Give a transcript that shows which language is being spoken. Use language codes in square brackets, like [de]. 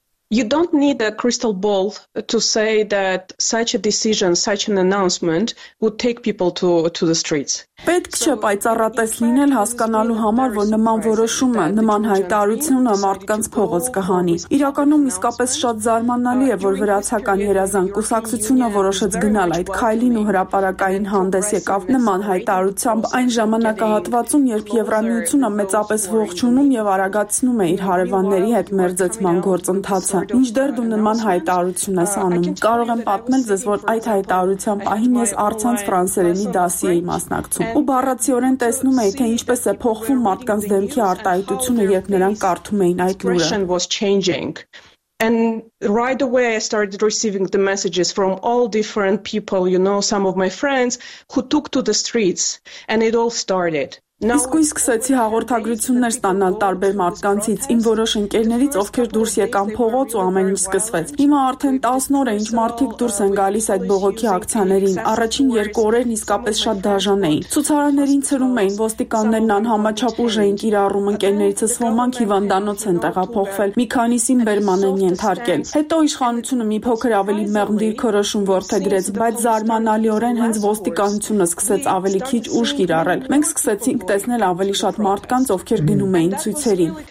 [en] You don't need a crystal ball to say that such a decision, such an announcement would take people to the streets. [hy] Պետք չէ պայծառատես լինել հասկանալու համար, որ նման որոշումը, նման հայտարարությունը մարդկանց փողոց կհանի։ Իրականում իսկապես շատ զարմանալի է, որ վրացական երազանքակուսակցությունը որոշեց գնալ այդ քայլին ու հրապարակային հանդես եկավ նման հայտարարությամբ այն ժամանակահատվածում, երբ Եվրամիությունը մեծապես ողջունում եւ արագացնում է իր հարևանների հետ մերձեցման գործընթացը։ Ինչդեռ դու նման հայտարարություն ես անում, կարող եմ պատմել ձեզ, որ այդ հայտարարության պահին ես առցանց ֆրանսերենի դասի էի մասնակցում ու բառացիորեն տեսնում էի, թե ինչպես է փոխվում մարդկանց դեմքի արտահայտությունը, երբ նրանք կարդում էին այդ լուրը։ [en] And right away I started receiving the messages from all different people, you know, some of my friends who took to the streets and it all started. [hy] Իսկ ու սկսեցի հաղորդագրություններ ստանալ տարբեր մարդկանցից, իմ որոշ ընկերներից, ովքեր դուրս եկան փողոց ու ամեն ինչ սկսվեց։ Հիմա արդեն 10 օր է, ինչ մարդիկ դուրս են գալիս այդ բողոքի ակցիաներին։ Առաջին 2 օրերն իսկապես շատ դաժան էին։ Ցուցարարներին ծրում էին, ոստիկաններն անհամաչափուժ էին կիրառում, ընկերներիցս ոմանք հիվանդանոց են տեղափոխվել, մի քանիսին Բերման են ենթարկել։ Հետո իշխանությունը մի փոքր ավելի մեղմ դիրքորոշում որդեգրեց, բայց զարմանալիորեն հենց ոստիկանությունը սկսեց ավելի քիչ ուժ կիրառել։ Մենք սկսեցինք տեսնել ավելի շատ մարդկանց, ովքեր գնում էին ցույցերին։